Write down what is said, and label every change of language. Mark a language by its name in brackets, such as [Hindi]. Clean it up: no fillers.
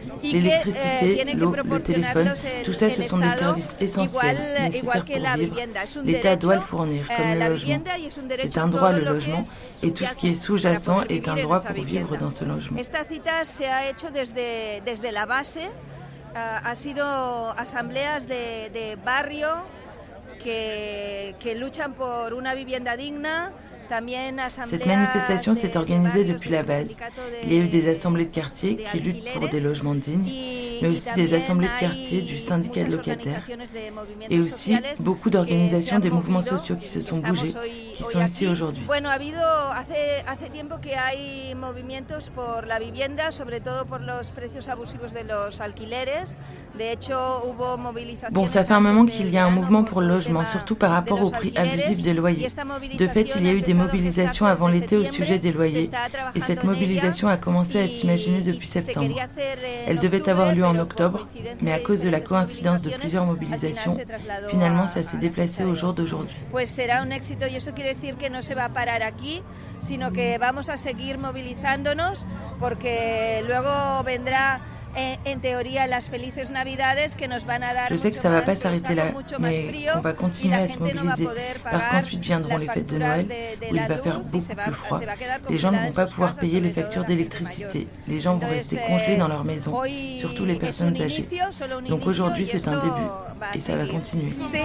[French] L'électricité, l'eau, le téléphone, tout ça, ce sont des services essentiels, nécessaires pour vivre. L'État doit le fournir, comme le logement. C'est un droit, le logement, et tout ce qui est sous-jacent est un droit pour vivre dans ce logement. Cette cita s'est faite depuis la base. [Spanish] Ha sido asambleas de barrio que luchan por una vivienda digna. [French] Cette manifestation s'est organisée depuis la base. Il y a eu des assemblées de quartier qui luttent pour des logements dignes, mais aussi des assemblées de quartier du syndicat de locataires et aussi beaucoup d'organisations des mouvements sociaux qui se sont bougés, qui sont ici aujourd'hui. [Spanish] Bueno, ha habido hace tiempo que hay movimientos por la vivienda, sobre todo por los precios abusivos de los alquileres. De hecho, hubo movilizaciones. [French] Bon, ça fait un moment qu'il y a un mouvement pour le logement, surtout par rapport au prix abusif des loyers. De fait, il y a eu des mobilisations avant l'été au sujet des loyers et cette mobilisation a commencé à s'imaginer depuis septembre. Elle devait avoir lieu en octobre, mais à cause de la coïncidence de plusieurs mobilisations, finalement ça s'est déplacé au jour d'aujourd'hui. [Spanish] Pues será un éxito y eso quiere decir que no se va a parar aquí, sino que vamos a seguir movilizándonos porque luego vendrá en [French] théorie, les [Spanish] felices Navidades [French] qui nous vont donner. Je sais que ça ne va pas s'arrêter là, mais on va continuer à se mobiliser parce qu'ensuite viendront les fêtes de Noël où il va faire beaucoup plus froid. Les gens ne vont pas pouvoir payer les factures d'électricité. Les gens vont rester congelés dans leur maison, surtout les personnes âgées. Donc aujourd'hui, c'est un début et ça va continuer.